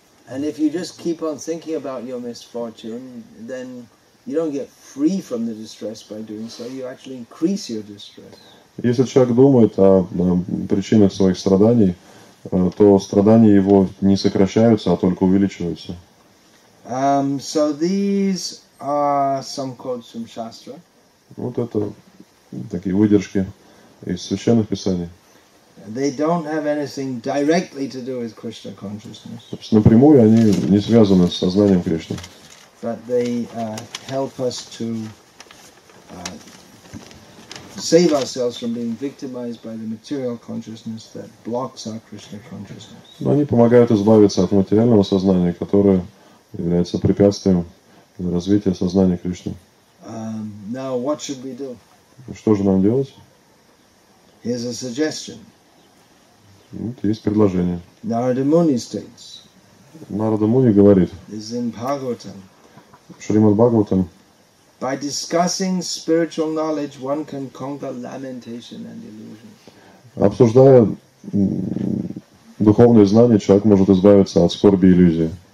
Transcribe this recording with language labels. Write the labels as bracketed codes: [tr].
[en] And if you just keep on thinking about your misfortune, then you don't get free from the distress by doing so, you actually increase your distress. [ru] Если человек думает о причинах своих страданий, то страдания его не сокращаются, а только увеличиваются. [en] So these are some quotes from Shastra. [ru] Вот это такие выдержки из священных писаний. [en] They don't have anything directly to do with Krishna consciousness. [ru] Напрямую они не связаны с сознанием Кришны. [en] But they help us to save ourselves from being victimized by the material consciousness that blocks our Krishna consciousness. [ru] Но они помогают избавиться от материального сознания, которое является препятствием для развития сознания Кришны. [en] Now what should we do? [ru] Что же нам делать? [en] Here's a suggestion. [ru] Вот есть предложение. [en] Narada Muni states. [ru] Narada Muni говорит. [en] Is in Bhagavatam. [ru] Шримад Бхагаватам. [en] By discussing spiritual knowledge, one can conquer lamentation and illusion. [ru] Обсуждая духовные знания, человек может избавиться от скорби и иллюзии.